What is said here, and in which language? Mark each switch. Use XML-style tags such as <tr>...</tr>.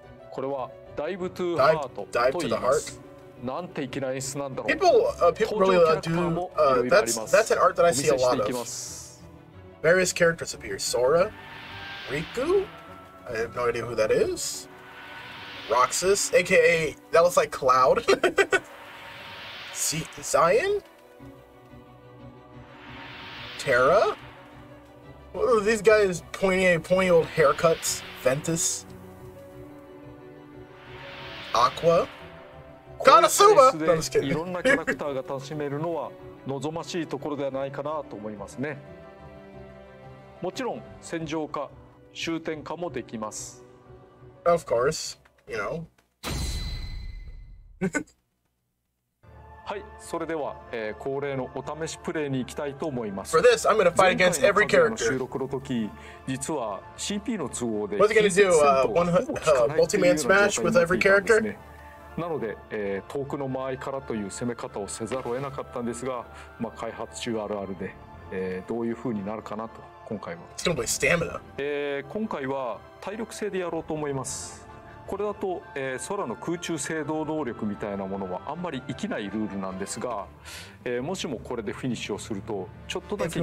<ja>これはダイブトゥーハートと言います。</ja> <en>Dive to the heart?</en> <ja>なんて粋な演出なんだろう。</ja> <en>People really do, that's an art that I see a lot of. Various characters appear. Sora? Riku? I have no idea who that is. Roxas, aka, that looks like Cloud. Zion? Terra? What are these guys pointy old haircuts? Ventus? Aqua? Konosuba! No, I'm just kidding.</en> <ja>いろんなキャラクターが楽しめるのは望ましいところではないかなと思いますね。もちろん、戦場化。終点化もできます。</ja> <en>Of course, you know.</en> <ja>はい、それでは、恒例のお試しプレイに行きたいと思います。</ja> <en>For this, I'm gonna fight against every character.</en> <ja>前回の風の収録の時、実は CP の都合で</ja> <en>What's it gonna do? Multi-man smash with every character?</en> <ja>なので、遠くの間合いからという攻め方をせざるを得なかったんですが、まあ、開発中あるあるで、どういう風になるかなと。今回も今回は体力制でやろうと思います。これだと、空の空中制動能力みたいなものはあんまり生きないルールなんですが、もしもこれでフィニッシュをするとちょっとだけ</ja>